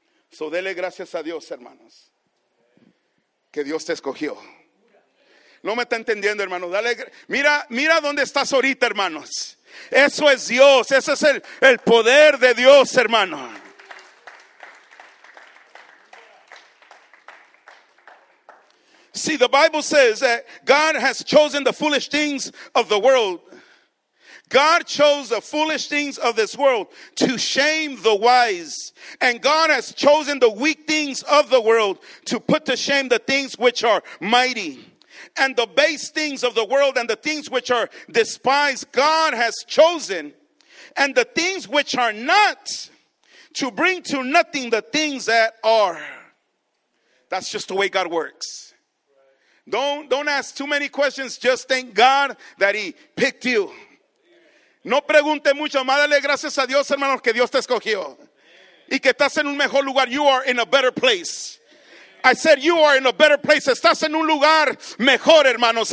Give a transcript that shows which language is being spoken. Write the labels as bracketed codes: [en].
[es] So dele gracias a Dios, hermanos, que Dios te escogió. No me está entendiendo, hermano. Dale, mira, mira dónde estás ahorita, hermanos. Eso es Dios. Ese es el poder de Dios, hermano. [en] See, the Bible says that God has chosen the foolish things of the world. God chose the foolish things of this world to shame the wise. And God has chosen the weak things of the world to put to shame the things which are mighty. And the base things of the world and the things which are despised, God has chosen. And the things which are not, to bring to nothing the things that are. That's just the way God works. Don't ask too many questions. Just thank God that he picked you. [es] No pregunte mucho. Más dale gracias a Dios, hermanos, que Dios te escogió. Y que estás en un mejor lugar. [en] You are in a better place. I said you are in a better place. [es] Estás en un lugar mejor, hermanos.